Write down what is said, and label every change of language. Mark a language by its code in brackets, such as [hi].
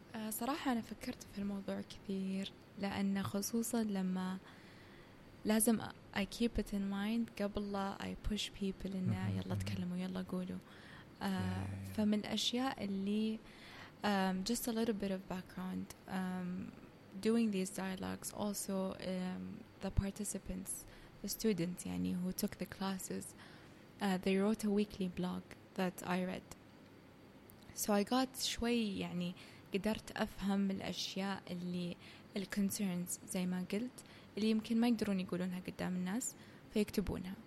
[ar] صراحة أنا فكرت في الموضوع كثير, لأن خصوصاً لما لازم [en] I keep it in mind [ar] قبل لا [en] I push people [ar] إنه يلا تكلموا يلا قولوا. فمن الأشياء اللي [en] just a little bit of background, doing these dialogues also the participants, the students يعني who took the classes, they wrote a weekly blog that I read. So I got [ar] شوي يعني قدرت أفهم الأشياء اللي ال concerns زي ما قلت اللي يمكن ما يقدرون يقولونها قدام الناس فيكتبونها.